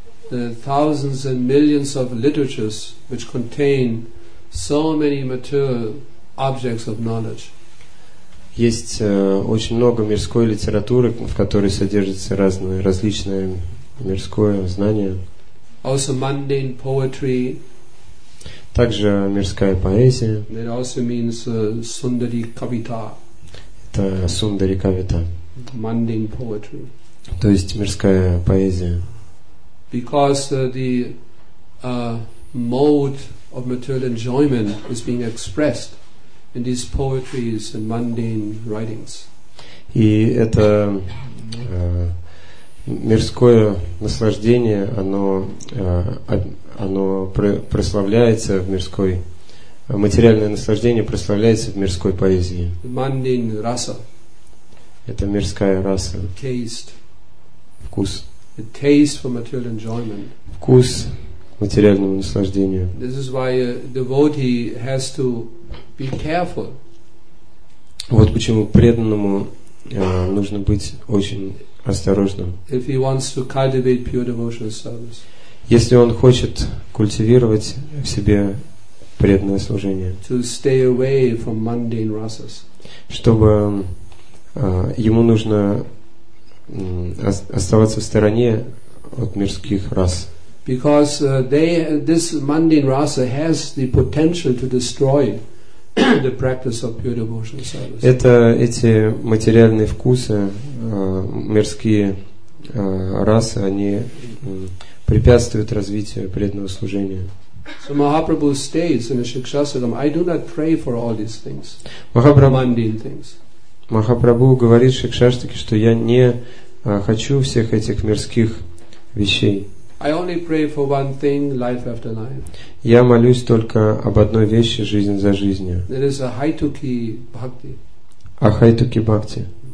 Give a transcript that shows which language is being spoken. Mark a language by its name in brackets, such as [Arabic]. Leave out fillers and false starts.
[English] The thousands and millions of literatures which contain so many material objects of knowledge. [Russian] Есть очень много мирской литературы, в которой содержится различное мирское знание. [English] Also mundane poetry. [Russian] Также мирская поэзия. [English] That also means sundari kavita. [Russian] Это sundari kavita. [English] Mundane poetry. [Russian] То есть мирская поэзия. [English] Because the mode of material enjoyment is being expressed in these poetries and mundane writings. [Russian] И это мирское наслаждение, оно прославляется в мирской, материальное наслаждение прославляется в мирской поэзии. [English] Mundane rasa. [Russian] Это мирская раса. [English] Taste. [Russian] Вкус. [English] The taste for material enjoyment. [Russian] Вкус материального наслаждения. [English] This is why a devotee has to be careful. [Russian] Вот почему преданному нужно быть очень осторожным. [English] If he wants to cultivate pure devotional service. [Russian] Если он хочет культивировать в себе преданное служение. [English] To stay away from mundane rasas. [Russian] Чтобы ему нужно оставаться в стороне от мирских рас. [English] Because this mundane rasa has the potential to destroy the practice of pure devotional service. [Russian] Это эти материальные вкусы, мирские расы, они препятствуют развитию преданного служения. [English] So Mahaprabhu states in the Shikshasaram, I do not pray for all these things, mundane things. [Russian] Махапрабху говорит Шикшаштаке, что я не хочу всех этих мирских вещей. [English] I only pray for one thing, life after life. [Russian] Я молюсь только об одной вещи, жизнь за жизнью. [English] It is ахайтуки бхакти. [Russian] Ахайтуки бхакти.